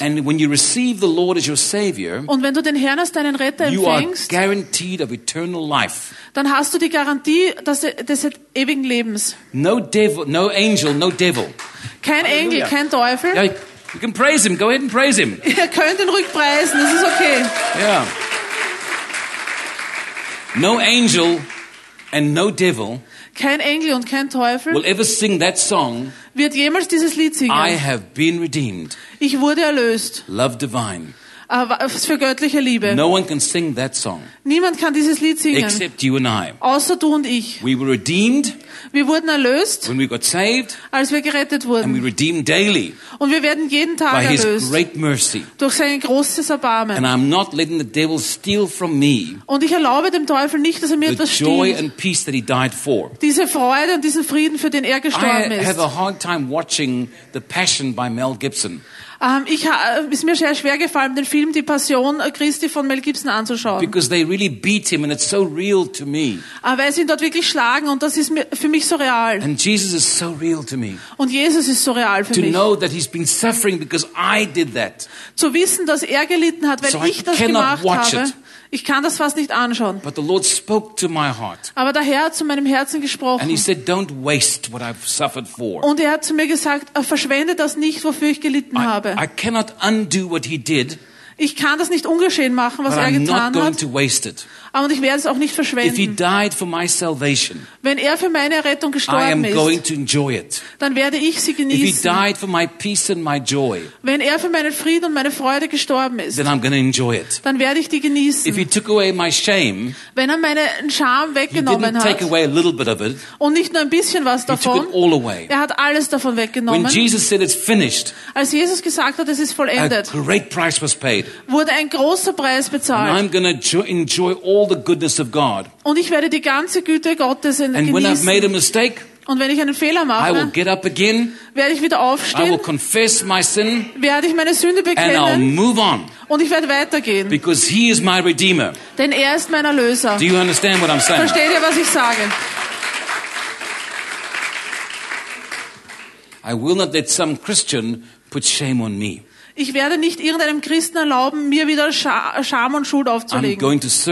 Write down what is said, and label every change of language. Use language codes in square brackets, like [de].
[en] And when you receive the Lord as your savior, [de] und wenn du den Herrn als deinen Retter [en] you [de] empfängst, [en] are guaranteed of eternal life. [de] Dann hast du die Garantie des ewigen Lebens. [en] No devil, no angel, no devil. [de] Kein Halleluja. Engel, kein Teufel. [en] Yeah, you can praise him. Go ahead and praise him. [de] Ihr könnt ihn ruhig preisen, das ist okay. [en] Yeah. No angel and no devil, [de] kein Engel und kein Teufel, [en] will ever sing that song, [de] wird jemals dieses Lied singen. [en] I have been redeemed. [de] Ich wurde erlöst. [en] Love divine. [de] Für göttliche Liebe. [en] No one can sing that song. [de] Niemand kann dieses Lied singen. [en] Except you and I. [de] Außer du und ich. [en] We were redeemed. [de] Wir wurden erlöst. [en] When we got saved. [de] Als wir gerettet wurden. [en] And we redeemed daily. [de] Und wir werden jeden Tag [en] by [de] erlöst. [en] By His great mercy. [de] Durch sein großes Erbarmen. [en] And I'm not letting the devil steal from me. [de] Und ich erlaube dem Teufel nicht, dass er mir [en] the [de] etwas stiehlt. [en] Joy and peace that he died for. [de] Diese Freude und diesen Frieden, für den er gestorben ist. [en] I have a hard time watching The Passion by Mel Gibson. [de] Ist mir sehr schwer gefallen, den Film Die Passion Christi von Mel Gibson anzuschauen. [en] Because they really beat him and it's so real to me. [de] Weil sie ihn dort wirklich schlagen und das ist für mich so real. [en] And Jesus is so real to me. [de] Und Jesus ist so real für [en] to [de] mich. [en] To know that he's been suffering because I did that. [de] Zu wissen, dass er gelitten hat, weil [en] so [de] ich das gemacht [en] watch [de] habe. [en] It. [de] Ich kann das fast nicht anschauen. [en] But the Lord spoke to my heart. [de] Aber der Herr hat zu meinem Herzen gesprochen. [en] And he said, don't waste what I've suffered for. [de] Und er hat zu mir gesagt, verschwende das nicht, wofür ich gelitten habe. [en] I cannot undo what he did. [de] Ich kann das nicht ungeschehen machen, was [en] but [de] er [en] I'm [de] getan [en] not going [de] hat. [en] To waste it. [de] Aber ich werde es auch nicht verschwenden. [en] If he died for my salvation, [de] wenn er für meine Errettung gestorben [en] I am [de] ist, [en] going to enjoy it. [de] Dann werde ich sie genießen. [en] If he died for my peace and my joy, [de] wenn er für meinen Frieden und meine Freude gestorben ist, [en] then I'm going to enjoy it. [de] Dann werde ich die genießen. [en] If he took away my shame, [de] wenn er meinen Scham weggenommen [en] he didn't [de] hat [en] take away a little bit of it, [de] und nicht nur ein bisschen was davon, [en] he took it all away. [de] Er hat alles davon weggenommen. [en] When Jesus said it's finished, [de] als Jesus gesagt hat, es ist vollendet, [en] a great price was paid, [de] wurde ein großer Preis bezahlt. [en] And I'm going to enjoy all the goodness of God. [de] Und ich werde die ganze Güte Gottes [en] and [de] genießen. [en] When I've made a mistake, [de] und wenn ich einen Fehler mache, [en] I will get up again, [de] werde ich wieder aufstehen, [en] I will confess my sin, [de] werde ich meine Sünde bekennen, [en] and I'll move on, [de] und ich werde weitergehen. [en] Because he is my redeemer. [de] Denn er ist mein Erlöser. [en] Do you understand what I'm saying? [de] Versteht ihr, was ich sage? [en] I will not let some Christian put shame on me. [de] Ich werde nicht irgendeinem Christen erlauben, mir wieder Scham und Schuld aufzulegen.